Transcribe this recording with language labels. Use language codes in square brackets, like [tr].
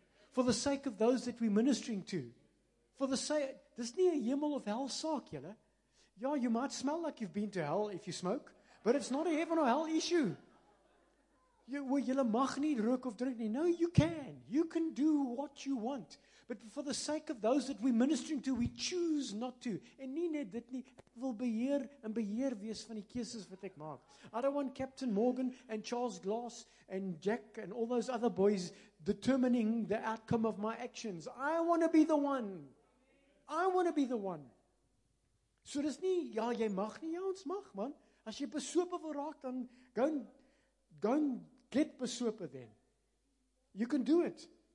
[en] For the sake of those that we're ministering to. For the sake, [af] dis nie 'n hemel of hel saak, julle. [en] Ja, you might smell like you've been to hell if you smoke, but it's not a heaven or hell issue. [af] Julle mag nie rook of drink nie. [en] No, you can. You can do what you want. But for the sake of those that we're ministering to, we choose not to. [af] En nie net dit nie. Ek wil beheer en beheer wees van die keuses wat ek maak. [en] I don't want Captain Morgan and Charles Glass and Jack and all those other boys determining the outcome of my actions. I want to be the one. I want to be the one. [af] So dis nie, ja, jy mag nie. Ja, ons mag, man. As jy besope wil raak, dan gaan get besope then. [en] You can do it.